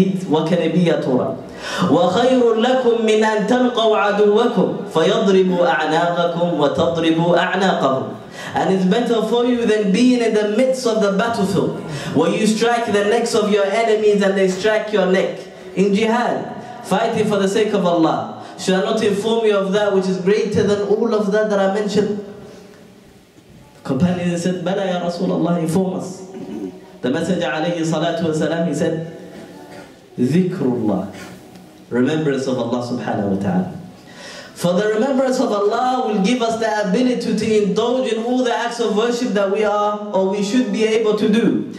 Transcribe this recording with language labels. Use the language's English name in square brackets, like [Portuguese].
[Arabic] وَكَنَبِيَ تُرَى. وَخَيْرٌ لَكُمْ مِنْ أَنْ تَلْقَوْ عَدُوَّكُمْ فَيَضْرِبُوا أَعْنَاقَكُمْ وَتَضْرِبُوا أَعْنَاقَهُمْ. [English] And it's better for you than being in the midst of the battlefield where you strike the necks of your enemies and they strike your neck. In jihad, fighting for the sake of Allah. Should I not inform you of that which is greater than all of that I mentioned? The companion said, [Arabic] بَلَا يَا رَسُولَ اللَّهِ. [English] Inform us. The Messenger alayhi salatu wa salam, he said, [Arabic] ذِكْرُ اللَّهِ. [English] Remembrance of Allah subhanahu wa ta'ala. For the remembrance of Allah will give us the ability to indulge in all the acts of worship that we are or we should be able to do.